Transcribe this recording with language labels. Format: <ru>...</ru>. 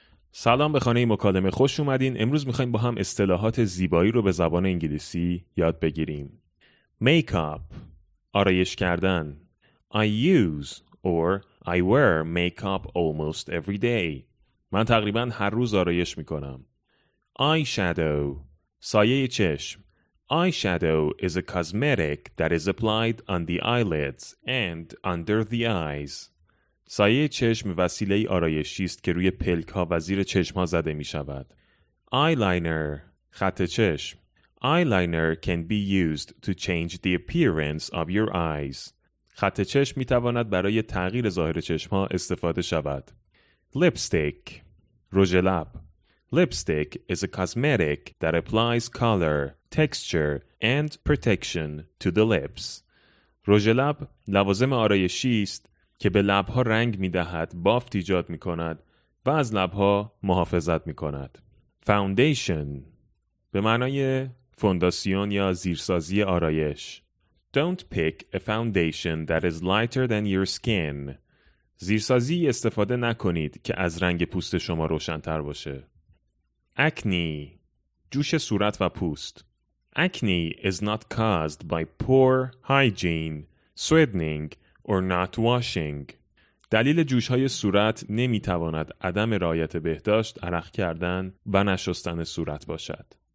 <fa>سلام به خانه مکالمه، خوش اومدین. امروز میخواییم با هم اصطلاحات زیبایی رو به زبان انگلیسی یاد بگیریم.</fa> <en>Make up،</en> <fa>آرایش کردن.</fa> <en>I use or I wear make up almost every day.</en> <fa>من تقریبا هر روز آرایش میکنم. Eyeshadow، سایه چشم.</fa> <en>Eyeshadow is a cosmetic that is applied on the eyelids and under the eyes.</en> <fa>سایه چشم وسیله ای آرایشی است که روی پلک ها و زیر چشم ها زده می شود. Eyeliner، خط چشم.</fa> <en>Eyeliner can be used to change the appearance of your eyes.</en> <fa>خط چشم می تواند برای تغییر ظاهر چشم ها استفاده شود. Lipstick، رژ لب.</fa> <en>Lipstick is a cosmetic that applies color, texture and protection to the lips.</en> <fa>رژ لب لوازم آرایشی است که به لبها رنگ می دهد، بافت ایجاد می کند و از لبها محافظت می کند. Foundation به معنای فونداسیون یا زیرسازی آرایش.</fa> <en>Don't pick a foundation that is lighter than your skin.</en> <fa>زیرسازی استفاده نکنید که از رنگ پوست شما روشن‌تر باشه. Acne، جوش صورت و پوست.</fa> <en>Acne is not caused by poor hygiene, sweating or not washing.</en> <fa>دلیل جوش های صورت نمی تواند عدم رعایت بهداشت، عرق کردن و نشستن صورت باشد.</fa>